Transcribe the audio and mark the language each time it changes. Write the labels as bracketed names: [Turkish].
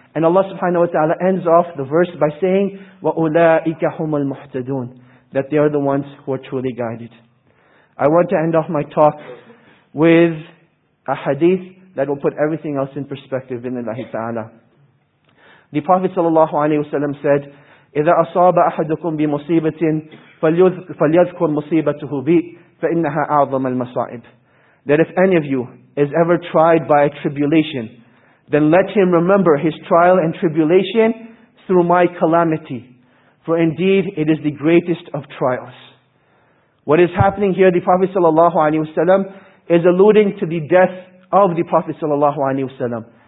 [English] And Allah subhanahu wa ta'ala ends off the verse by saying, [Arabic] وَأُولَٰئِكَ هُمُ الْمُحْتَدُونَ, [English] that they are the ones who are truly guided. I want to end off my talk with a hadith that will put everything else in perspective, bi'idhnillahi ta'ala. The Prophet sallallahu alaihi wasallam said, [Arabic] "إِذَا أَصَابَ أَحَدُكُمْ بِمُصِيبَةٍ فَلْيَذْكُرْ مُصِيبَتُهُ بِي فَإِنَّهَا أَعْظَمَ الْمَصَائِبِ." [English] That if any of you is ever tried by a tribulation, then let him remember his trial and tribulation through my calamity. For indeed, it is the greatest of trials. What is happening here, the Prophet sallallahu alaihi wasallam is alluding to the death of the Prophet sallallahu alaihi wasallam.